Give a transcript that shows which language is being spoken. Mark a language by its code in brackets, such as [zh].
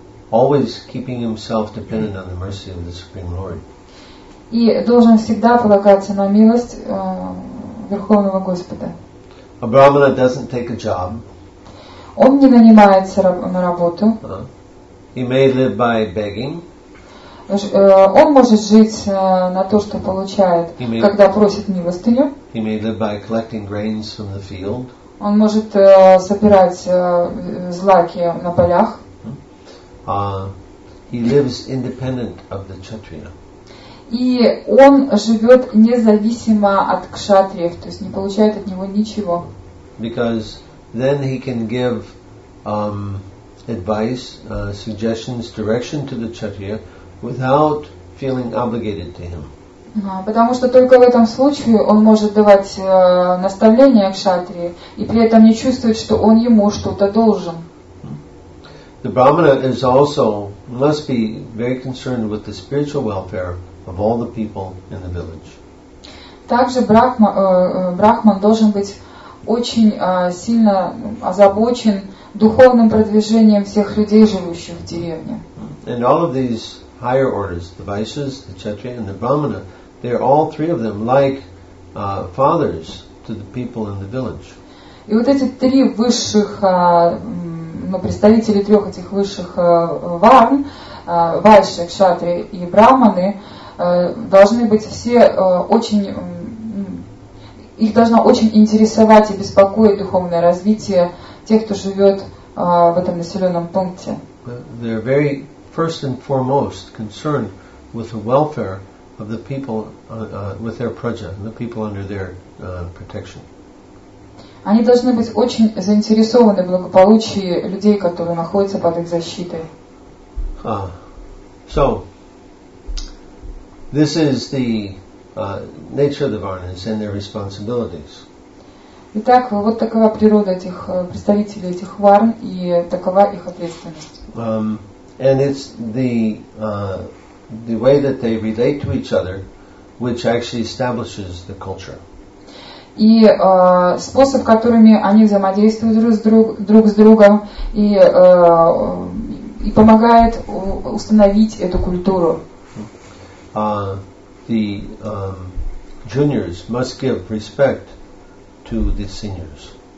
[en] Always keeping himself dependent on the mercy of the Supreme Lord. [ru] И должен всегда полагаться на милость Верховного Господа. [en] A brahmana doesn't take a job. [ru] Он не нанимается на работу. [en] He may live by begging. [ru] Он может жить на то, что получает, когда просит милостыню. [en] He may live by collecting grains from the field. [ru] Он может собирать злаки на полях. [en] He lives independent of the kshatriya. [ru] И он живет независимо от кшатриев, то есть не получает от него ничего. [en] Because then he can give advice, suggestions, direction to the kshatriya without feeling obligated to him. [ru] Потому что только в этом случае он может давать наставления кшатрии и при этом не чувствовать, что он ему что-то должен. [en] The brahmana is also must be very concerned with the spiritual welfare of all the people in the village. [ru] Также брахман должен быть очень сильно озабочен духовным продвижением всех людей, живущих в деревне. [en] And all of these higher orders, the vaishyas, the kshatriya, and the brahmana, they're all three of them like fathers to the people in the village. [ru] И вот эти три высших представители трех этих высших варн, вайши, кшатри и брахманы, должны быть все очень, их должно очень интересовать и беспокоить духовное развитие тех, кто живет в этом населенном пункте. [en] They're very first and foremost concerned with the welfare of the people, with their praja, the people under their protection. [ru] Они должны быть очень заинтересованы в благополучии людей, которые находятся под их защитой. [en] So, this is the nature of the varnas and their responsibilities. [ru] Итак, вот такова природа этих представителей этих варн и такова их ответственность. [en] And it's the way that they relate to each other which actually establishes the culture. [ru] И способ, которыми они взаимодействуют друг с другом и помогает установить эту культуру. [en] Juniors must give respect to the seniors.